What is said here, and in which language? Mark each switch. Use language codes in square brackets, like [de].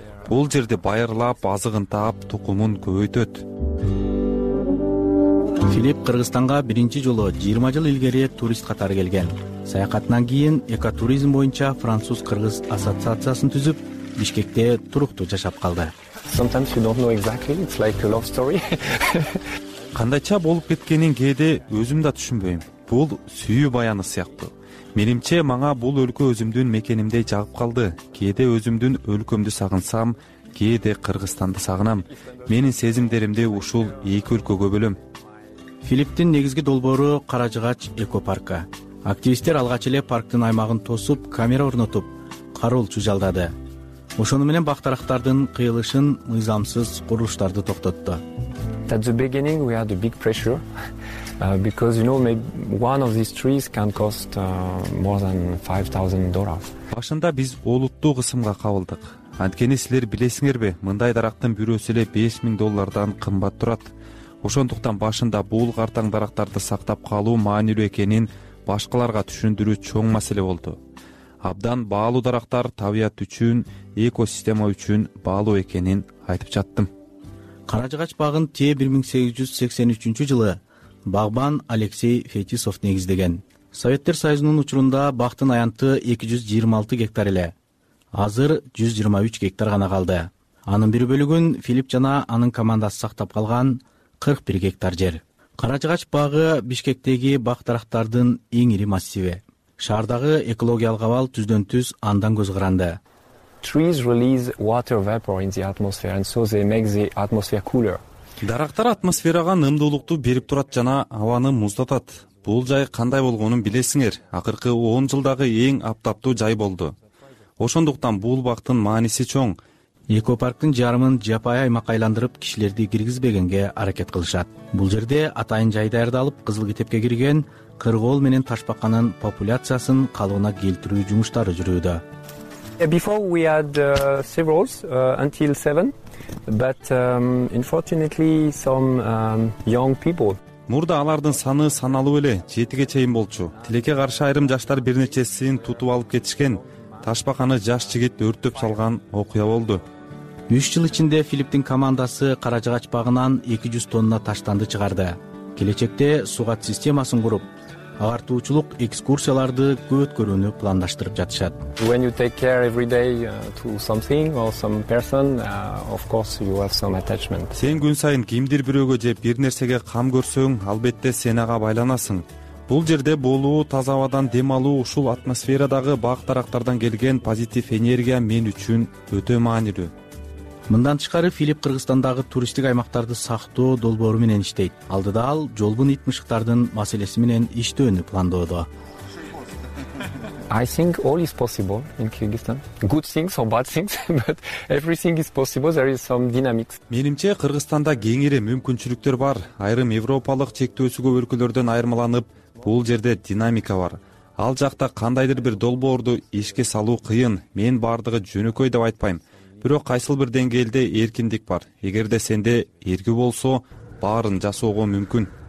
[ky] Бул жерде байырлап, азыгын таап, тукумун көбөйтөт. Филипп Кыргызстанга биринчи жолу 20 жыл илгери турист катары келген. Саякатынан кийин экотуризм боюнча француз-кыргыз ассоциациясын түзүп, Бишкекте туруктуу жашап калды. [en] Sometimes you don't know exactly, it's like a love story. [ky] Кандайча болуп кеткенин кээде өзүм да түшүнбөйм. Бул сүйүү баяны сыяктуу. Менимче мага бул өлкө өзүмдүн мекенимдей жагып калды. Кээде өзүмдүн өлкөмдү сагынсам, кээде Кыргызстанды сагынам. Менин сезимдеримди ушул эки өлкөгө бөлөм. Филипптин негизги долбоору кара жыгач экопаркы. Активисттер алгач эле парктын аймагын тосуп, камера орнотуп, кароолчу жалдады. Ошону менен бак дарактардын кыйылышын мыйзамсыз курулуштарды токтотту. [en] At the beginning we had a big pressure because you know maybe one of these trees can cost more than $5,000. [ky] Башында биз олуттуу кысымга кабылдык. Анткени силер билесиңерби, мындай дарактын бирөөсү эле $5,000 кымбат турат. Ошондуктан башында бул картаң дарактарды сактап калуу маанилүү экенин башкаларга түшүндүрүү чоң маселе болду. Абдан баалуу дарактар табият үчүн, экосистема үчүн баалуу экенин айтып жаттым. Кара жыгач багын тээ 1883 жылы багбан Алексей Фетисов негиздеген. Советтер Союзунун учурунда бактын аянты 226 гектар эле. Азыр 123 гектар гана калды. Анын бир бөлүгүн Филипп жана анын командасы сактап калган 41 гектар жер. Кара жыгач багы Бишкектеги бак дарактардын эң ири массиви. Шаардагы экологиялык абал түздөн түз андан көз каранды. [en] Trees release water vapor in the atmosphere and so they make the atmosphere cooler. [ky] Дарактар атмосферага нымдуулукту берип турат жана абаны муздатат. Бул жай кандай болгонун билесиңер. Акыркы 10 жылдагы эң аптаптуу жай болду. Ошондуктан бул бактын мааниси чоң. Экопарктын жарымын жапайы аймакка айландырып, кишилерди киргизбегенге аракет кылышат. Бул жерде атайын жай даярдалып, кызыл китепке кирген кыргоол менен ташбаканын популяциясын калыбына келтирүү жумуштары жүрүүдө. [en] Before we had several until 7, but unfortunately some young people. [ky] Мурда алардын саны саналуу эле, 7ге чейин болчу. Тилекке каршы айрым жаштар бир нечесин тутуп алып кетишкен. Ташбаканы жаш жигит өрттөп салган окуя болду. 3 жыл ичинде Филипптин командасы кара жыгач багынан 200 тонна таштанды чыгарды. Келечекте сугат системасын куруп, агартуучулук экскурсияларды көөткөрүүнү пландаштырып жатышат. [en] When you take care every day to something or some person, of course you have some attachment. [ky] Сен күн сайын кимдир бирөөгө же бир нерсеге кам көрсөң, албетте сен ага байланасың. Бул жерде болуу, таза абадан дем алуу, ушул атмосферадагы бак дарактардан келген позитив энергия мен үчүн өтө маанилүү. Мындан тышкары Филипп Кыргызстандагы туристтик аймактарды сактоо долбоору менен иштейт. Алдыда ал жолбун ит мышыктардын маселеси менен иштөөнү пландоодо. [en] I think all is possible in Kyrgyzstan. Good things or bad things, but everything is possible. There is some dynamics. [ky] Менимче Кыргызстанда кеңири мүмкүнчүлүктөр бар. Айрым Европалык чектөөсү көп өлкөлөрдөн айырмаланып, бул жерде динамика бар. Ал жакта кандайдыр бир долбоорду ишке салуу кыйын. Мен бардыгы жөнөкөй деп айтпайм. Бирок кайсыл бир деңгээлде эркиндик бар. Эгерде сенде эрки болсо, баарын жасоого мүмкүн.